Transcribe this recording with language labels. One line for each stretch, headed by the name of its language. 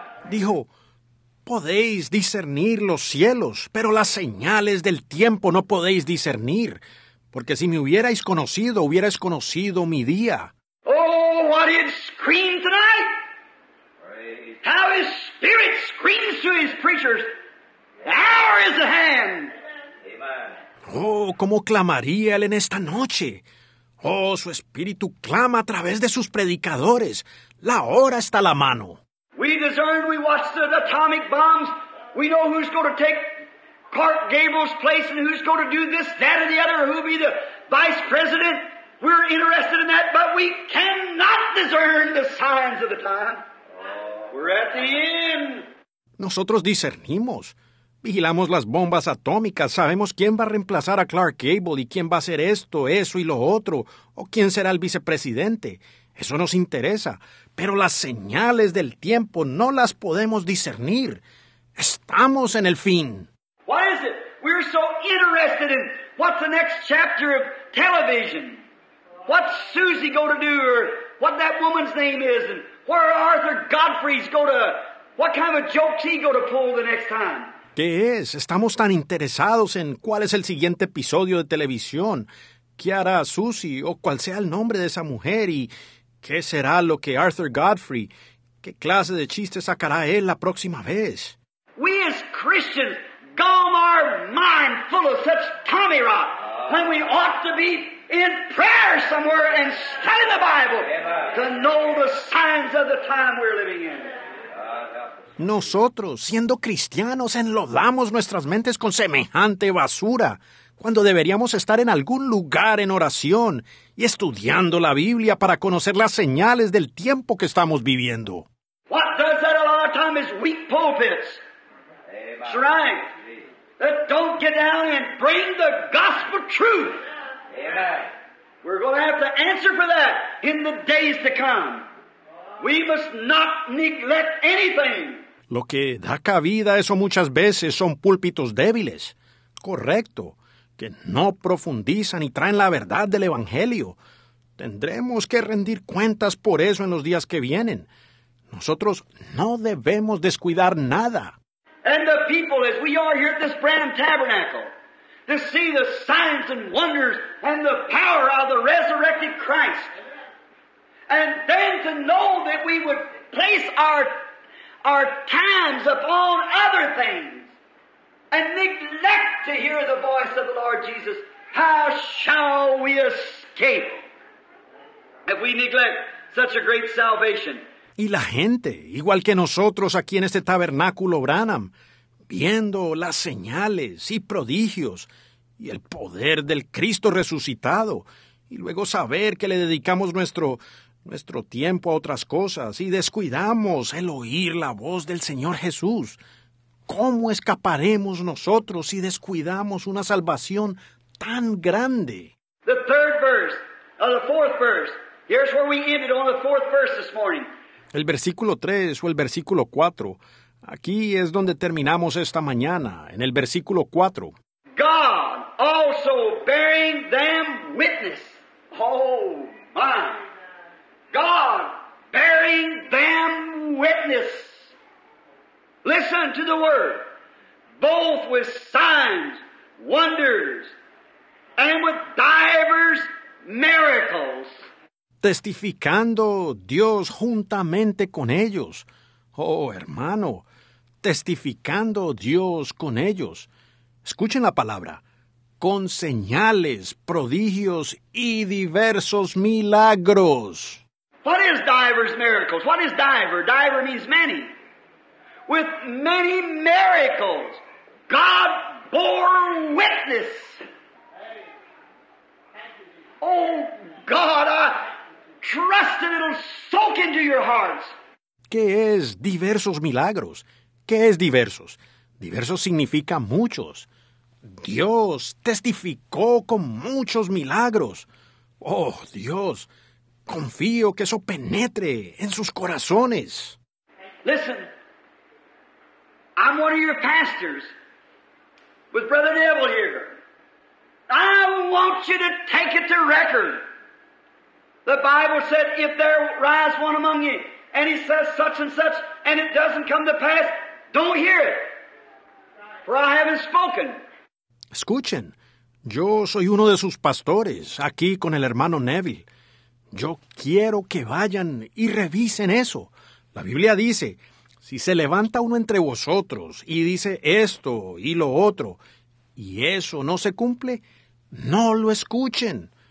Spanish: Dijo, podéis discernir los cielos, pero las señales del tiempo no podéis discernir, porque si me hubierais conocido, hubierais conocido mi día.
English: Oh, what he'd scream tonight! How his spirit screams to his preachers. The hour is at hand. Amen.
Spanish: Oh, cómo clamaría él en esta noche. Oh, su espíritu clama a través de sus predicadores. La hora está a la mano.
English: We discern, we watch the atomic bombs. We know who's going to take Clark Gable's place and who's going to do this, that, or the other, or who'll be the vice president. We're interested in that, but we cannot discern the signs of the time. We're at the end.
Spanish: Nosotros discernimos. Vigilamos las bombas atómicas, sabemos quién va a reemplazar a Clark Gable y quién va a hacer esto, eso y lo otro, o quién será el vicepresidente. Eso nos interesa, pero las señales del tiempo no las podemos discernir. Estamos en el fin.
English: What is it? We're so interested in what's the next chapter of television. What's Susie going to do, or what that woman's name is, and where Arthur Godfrey's going to, what kind of joke's he going to pull the next time.
Spanish: ¿Qué es? Estamos tan interesados en cuál es el siguiente episodio de televisión. ¿Qué hará Susie o cuál sea el nombre de esa mujer? ¿Y qué será lo que Arthur Godfrey? ¿Qué clase de chiste sacará él la próxima vez?
English: We as Christians gum our mind full of such tommy rot when we ought to be in prayer somewhere and study the Bible to know the signs of the time we're living in.
Spanish: Nosotros, siendo cristianos, enlodamos nuestras mentes con semejante basura, cuando deberíamos estar en algún lugar en oración y estudiando la Biblia para conocer las señales del tiempo que estamos viviendo.
English: What does that a lot of time is weak pulpits. Amen. That's right. That don't get down and bring the gospel truth. Amen. We're going to have to answer for that in the days to come. We must not neglect anything.
Spanish: Lo que da cabida a eso muchas veces son púlpitos débiles, correcto, que no profundizan y traen la verdad del Evangelio. Tendremos que rendir cuentas por eso en los días que vienen. Nosotros no debemos descuidar nada.
English: And the people, as we are here at this Branham Tabernacle, to see the signs and wonders and the power of the resurrected Christ. And then to know that we would place our times upon other things and neglect to hear the voice of the Lord Jesus. How shall we escape if we neglect such a great salvation?
Spanish: Y la gente, igual que nosotros aquí en este tabernáculo Branham, viendo las señales y prodigios y el poder del Cristo resucitado, y luego saber que le dedicamos nuestro tiempo a otras cosas y descuidamos el oír la voz del Señor Jesús. ¿Cómo escaparemos nosotros si descuidamos una salvación tan grande?
English: The third verse, or the fourth verse. Here's where we ended on the fourth verse this morning.
Spanish: El versículo 3 o el versículo 4. Aquí es donde terminamos esta mañana, en el versículo 4.
English: God also bearing them witness. Oh, my. God bearing them witness. Listen to the word. Both with signs, wonders, and with divers miracles.
Spanish: Testificando Dios juntamente con ellos. Oh, hermano, testificando Dios con ellos. Escuchen la palabra. Con señales, prodigios y diversos milagros.
English: What is divers miracles? What is diver? Diver means many. With many miracles, God bore witness. Oh, God, trust and it'll soak into your hearts.
Spanish: ¿Qué es diversos milagros? ¿Qué es diversos? Diversos significa muchos. Dios testificó con muchos milagros. Oh, Dios, confío que eso penetre en sus corazones.
English: Listen, I'm one of your pastors with Brother Neville here. I want you to take it to record. The Bible said, if there rise one among you, and he says such and such, and it doesn't come to pass, don't hear it, for I haven't spoken.
Spanish: Escuchen, yo soy uno de sus pastores, aquí con el hermano Neville. Yo quiero que vayan y revisen eso. La Biblia dice, si se levanta uno entre vosotros y dice esto y lo otro, y eso no se cumple, no lo escuchen.